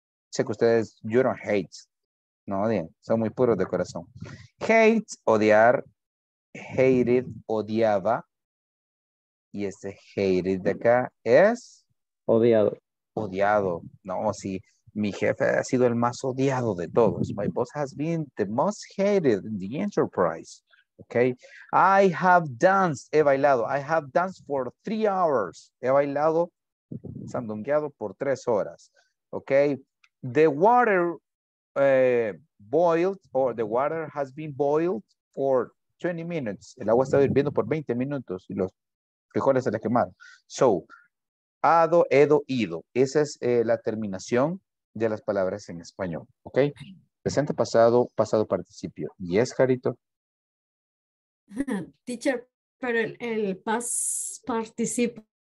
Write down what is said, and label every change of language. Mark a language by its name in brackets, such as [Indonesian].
[Spanish] Sé que ustedes, [English] you don't hate. [Spanish] No odian, son muy puros de corazón. Hate, odiar. Hated, odiaba. Y este hated de acá es? Odiado. Odiado. No, sí, mi jefe ha sido el más odiado de todos. [English] My boss has been the most hated in the enterprise. Okay. I have danced, [Spanish] he bailado. [English] I have danced for 3 hours. [Spanish] He bailado. Sandungueado por 3 horas. Ok. [English] The water boiled, or the water has been boiled for 20 minutes. [Spanish] El agua está hirviendo por 20 minutos y los frijoles se les quemaron. So, ado, edo, ido. Esa es la terminación de las palabras en español. Ok. Presente, pasado, pasado participio. ¿Y es, Carito? Teacher, pero el past participio.